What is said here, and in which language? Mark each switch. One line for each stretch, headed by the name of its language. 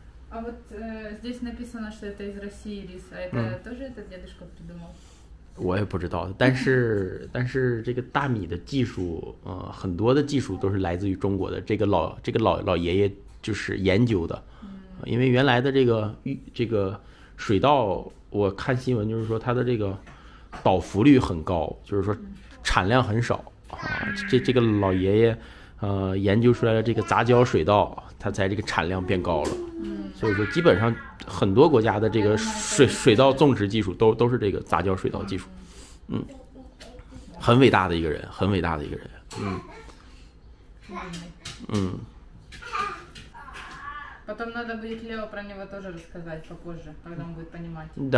Russian: А вот здесь написано, что это из России рис, а это тоже этот дедушка придумал?
Chinese: 我也不知道，但是这个大米的技术，很多的技术都是来自于中国的。这个老爷爷就是研究的，因为原来的这个水稻，我看新闻就是说它的这个倒伏率很高，就是说产量很少啊。这个老爷爷，研究出来的这个杂交水稻，它才这个产量变高了。所以说基本上。很多国家的这个水稻种植技术都是这个杂交水稻技术，很伟大的一个人，很伟大的一个人，
Russian: Потом надо будет Лео про него тоже рассказать попозже, когда он будет понимать.